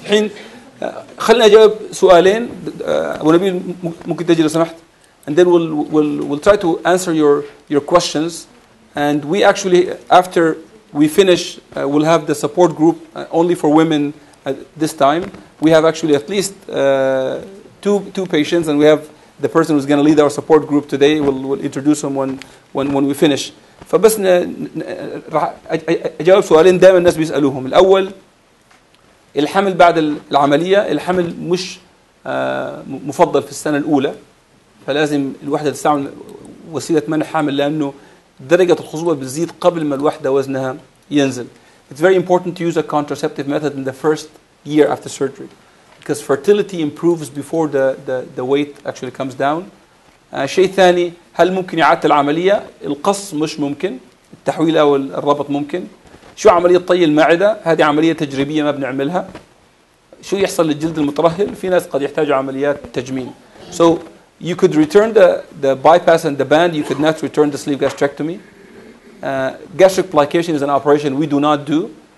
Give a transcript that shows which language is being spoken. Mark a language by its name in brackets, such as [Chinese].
[Arabic] الحين خلنا أجاوب سؤالين. ونبيل ممكن تجي لو سمحت. [English] And then we'll try to answer your questions. And we actually, after we finish, we'll have the support group only for women at this time. We have actually at least two patients, and we have the person who's going to lead our support group today. We'll introduce him when we finish. [Arabic] فبس راح أجاوب سؤالين دائما الناس بيسألوهم. الأول الحمل بعد العملية الحمل مش مفضل في السنة الأولى فلازم الوحدة تستعمل وسيلة منع حامل لأنه درجة الخصوبة بتزيد قبل ما الوحدة وزنها ينزل. [English] It's very important to use a contraceptive method in the first year after surgery. Because fertility improves before the weight actually comes down. [Arabic] شيء ثاني هل ممكن إعادة العملية؟ القص مش ممكن. التحويل أو الربط ممكن. شو عملية طي المعدة؟ هذه عملية تجريبية ما بنعملها. شو يحصل للجلد المترهل؟ في ناس قد يحتاجوا عمليات تجميل. [English] So you could return the bypass and the band. You could not return the sleeve gastrectomy. Gastric plication is an operation we do not do.